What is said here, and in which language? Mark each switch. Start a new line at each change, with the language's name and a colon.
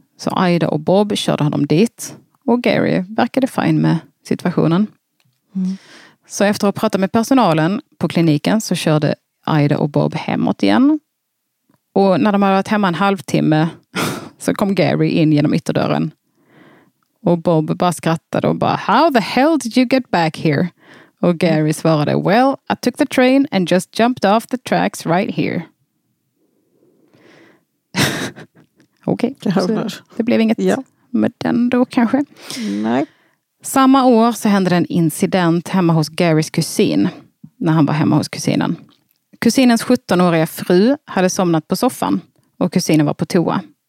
Swedish: Så Ida och Bob körde honom dit och Gary verkade fin med situationen. Mm. Så efter att prata med personalen på kliniken så körde Ida och Bob hemåt igen. Och när de hade varit hemma en halvtimme så kom Gary in genom ytterdörren. Och Bob bara skrattade och bara,
English: how the hell did you get back here?
Swedish: Och Gary svarade,
English: well, I took the train and just jumped off the tracks right here.
Swedish: Okej, det blev inget med den då kanske. Nej. Samma år så hände en incident hemma hos Garys kusin när han var hemma hos kusinen. Kusinens 17-åriga fru hade somnat på soffan och kusinen var på toa.